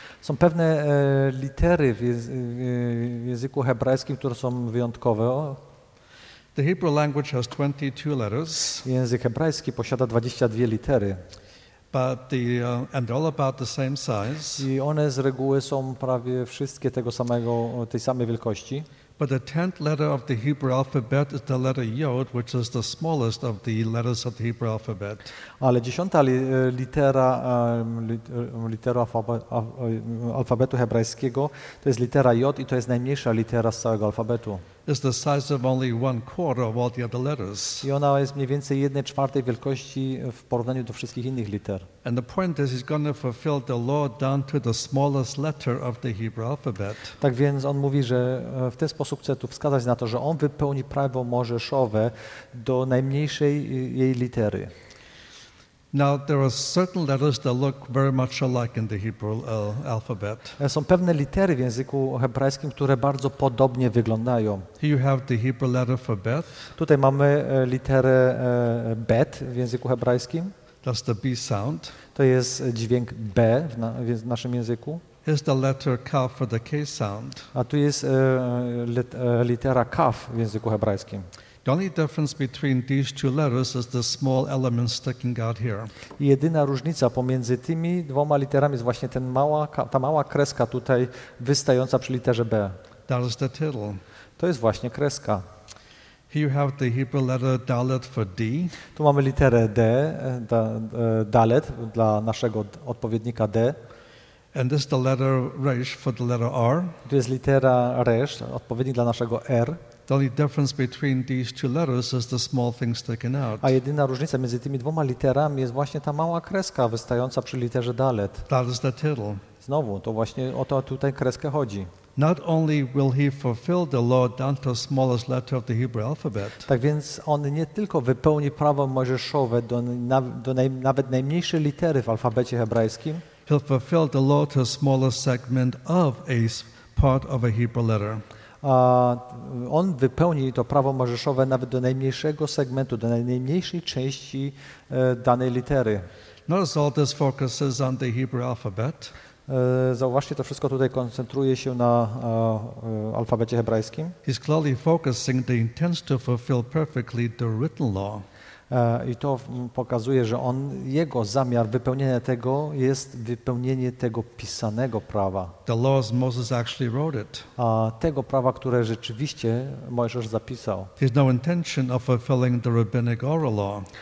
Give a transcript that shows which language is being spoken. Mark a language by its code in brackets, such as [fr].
[pl] Są pewne litery w języku hebrajskim, które są wyjątkowe. [en] The Hebrew language has 22 letters. [pl] Język hebrajski posiada 22 litery. [en] But and they're all about the same size. [pl] I one z reguły są prawie wszystkie tego samego, tej samej wielkości. [en] But the 10th letter of the Hebrew alphabet is the letter yod, which is the smallest of the letters of the Hebrew alphabet. [pl] Ale 10. Litera litera alfabetu hebrajskiego to jest litera jod i to jest najmniejsza litera z całego alfabetu. [en] Is the size of only 1/4 of all the other letters. [pl] I ona jest mniej więcej 1/4 wielkości w porównaniu do wszystkich innych liter. [en] And the point is he's going to fulfill the law down to the smallest letter of the Hebrew alphabet. [pl] Tak więc on mówi, że w ten sposób chce tu wskazać na to, że on wypełni prawo mojżeszowe do najmniejszej jej litery. [en] Now there are certain letters that look very much alike in the Hebrew alphabet. [pl] Są pewne litery w języku hebrajskim, które bardzo podobnie wyglądają. [en] Here you have the Hebrew letter for bet. [pl] Tutaj mamy literę bet w języku hebrajskim. [en] That's the B sound. [pl] To jest dźwięk B w naszym języku. [en] Here's the letter kaf for the K sound. [pl] A tu jest litera kaf w języku hebrajskim. [en] The only difference between these two letters is the small element sticking out here. [pl] Jedyna różnica pomiędzy tymi dwoma literami jest właśnie ta mała kreska tutaj wystająca przy literze B. [en] That is the tittle. [pl] To jest właśnie kreska. [en] Here you have the Hebrew letter dalet for D. [pl] Tu mamy literę D, dalet dla naszego odpowiednika D. [en] And this is the letter resh for the letter R. [pl] Tu jest litera resh, odpowiednik dla naszego R. [en] The only difference between these two letters is the small thing sticking out. [pl] A jedyna różnica między tymi dwoma literami jest właśnie ta mała kreska wystająca przy literze dalet. [en] That is the tittle. [pl] Znowu, to właśnie o to tutaj kreskę chodzi. [en] Not only will he fulfill the law down to the smallest letter of the Hebrew alphabet. [pl] Tak więc on nie tylko wypełni prawo mojżeszowe nawet najmniejszej litery w alfabecie hebrajskim. [en] He'll fulfill the law to the smallest segment of a part of a Hebrew letter. [pl] A on wypełni to prawo mojżeszowe nawet do najmniejszego segmentu, do najmniejszej części danej litery. [en] Notice all this focuses on the Hebrew alphabet. [pl] Zauważcie, to wszystko tutaj koncentruje się na alfabecie hebrajskim. [en] He's clearly focusing the intent to fulfill perfectly the written law. [pl] I to pokazuje, że on, jego zamiar wypełnienia tego jest wypełnienie tego pisanego prawa. [en] The laws Moses actually wrote it. [pl] A tego prawa, które rzeczywiście Mojżesz zapisał. [en] There's no intention of fulfilling the rabbinic oral law.